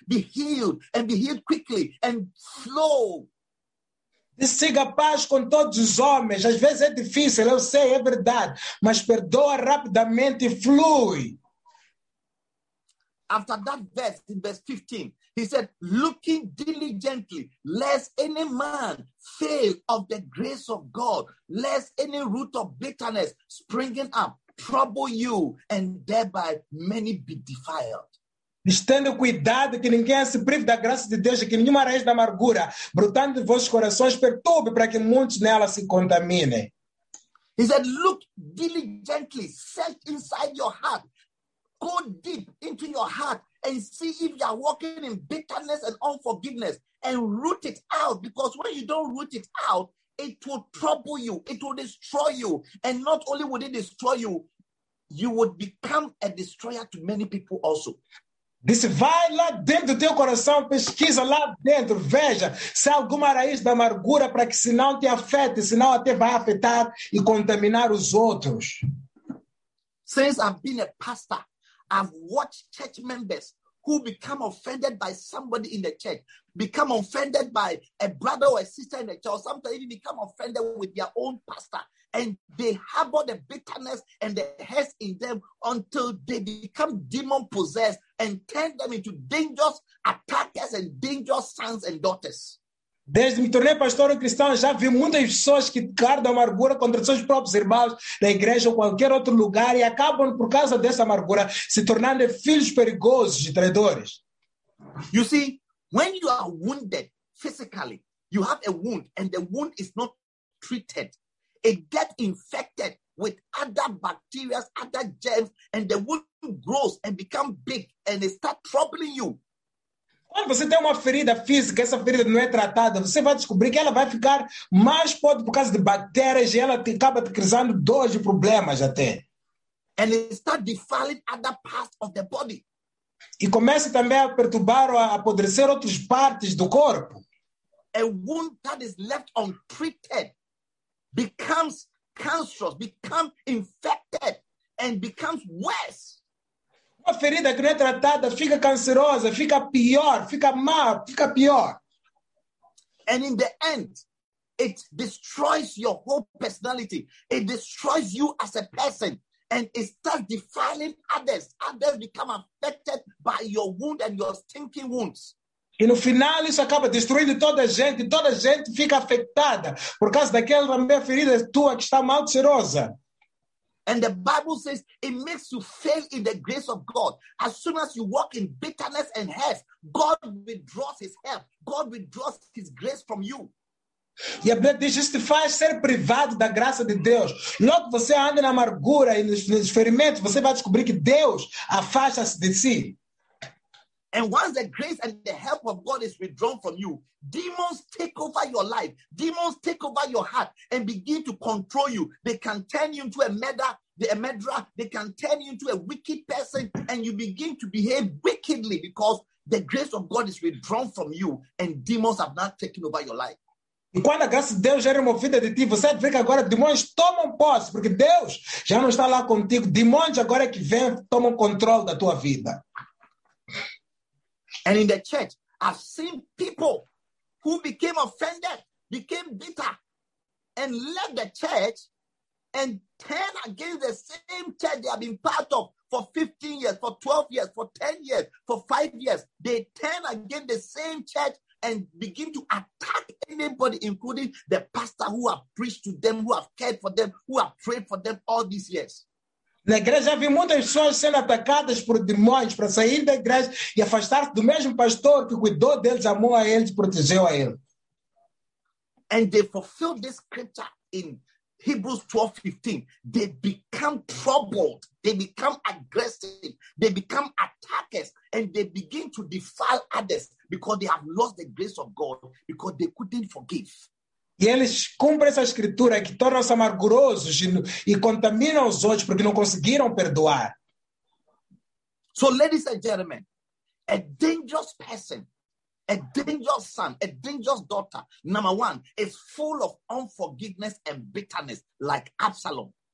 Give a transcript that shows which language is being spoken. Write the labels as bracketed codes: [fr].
[en] Be healed and be healed quickly and flow. [pt] E siga a paz com todos os homens. Às vezes é difícil, eu sei, é verdade. Mas perdoa rapidamente e flui. [en] After that verse, in verse 15, he said, looking diligently, lest any man fail of the grace of God, lest any root of bitterness springing up trouble you, and thereby many be defiled. [pt] Estendo cuidado que ninguém se prive da graça de Deus e que nenhuma raiz da amargura brotando de vossos corações perturbe para que muitos nela se contaminem. [en] He said, look diligently, search inside your heart, go deep into your heart and see if you are walking in bitterness and unforgiveness and root it out, because when you don't root it out, it will trouble you, it will destroy you, and not only would it destroy you, you would become a destroyer to many people also. [pt] Disse, vai lá dentro do teu coração, pesquisa lá dentro, veja se há alguma raiz da amargura para que senão te afete, senão até vai afetar e contaminar os outros. [en] Since I've been a pastor, I've watched church members who become offended by somebody in the church, become offended by a brother or a sister in the church, or sometimes even become offended with their own pastor. And they harbor the bitterness and the hate in them until they become demon possessed and turn them into dangerous attackers and dangerous sons and daughters. [pt] Desde me tornei pastor cristão, já vi muitas pessoas que guardam amargura contra seus próprios irmãos na igreja ou qualquer outro lugar e acabam, por causa dessa amargura, se tornando filhos perigosos de traidores. [en] You see, when you are wounded physically, you have a wound and the wound is not treated. It gets infected with other bacteria, other germs, and the wound grows and becomes big and it starts troubling you. [pt] Quando você tem uma ferida física, essa ferida não é tratada, você vai descobrir que ela vai ficar mais podre por causa de bactérias e ela acaba criando dores e problemas até. [en] And it starts defiling other parts of the body. [pt] E começa também a perturbar ou a apodrecer outras partes do corpo. [en] A wound that is left untreated becomes cancerous, becomes infected, and becomes worse. [pt] Uma ferida que não é tratada fica cancerosa, fica pior, fica mal, fica pior. [en] And in the end, it destroys your whole personality. It destroys you as a person, and it starts defiling others. Others become affected by your wound and your stinking wounds. [pt] E no final isso acaba destruindo toda a gente. Toda a gente fica afetada por causa daquela minha ferida tua que está mal cheirosa. [en] And the Bible says it makes you fail in the grace of God. As soon as you walk in bitterness and hate, God withdraws his help. God withdraws his grace from you. [pt] E a Bíblia diz, isso te faz ser privado da graça de Deus. Logo você anda na amargura e nos ferimentos, você vai descobrir que Deus afasta-se de si. [en] And once the grace and the help of God is withdrawn from you, demons take over your life. Demons take over your heart and begin to control you. They can turn you into a murderer. They can turn you into a wicked person, and you begin to behave wickedly because the grace of God is withdrawn from you and demons have not taken over your life. [pt] E quando a graça de Deus é removida de ti, você vê que agora demônios tomam posse, porque Deus já não está lá contigo. Demônios agora é que vêm, tomam controle da tua vida. [en] And in the church, I've seen people who became offended, became bitter, and left the church and turned against the same church they have been part of for 15 years, for 12 years, for 10 years, for 5 years. They turned against the same church and begin to attack anybody, including the pastor who have preached to them, who have cared for them, who have prayed for them all these years. [pt] Na igreja havia muitas pessoas sendo atacadas por demônios para sair da igreja e afastar-se do mesmo pastor que cuidou deles, amou a eles, protegeu a eles. [en] And they fulfill this scripture in Hebrews 12:15. They become troubled, they become aggressive, they become attackers, and they begin to defile others because they have lost the grace of God, because they couldn't forgive. [pt] E eles cumprem essa escritura que tornam-se amargurosos e contaminam os outros porque não conseguiram perdoar. [en] So, ladies and gentlemen, a dangerous person, a dangerous son, a dangerous daughter, number one, is full of unforgiveness and bitterness, like Absalom.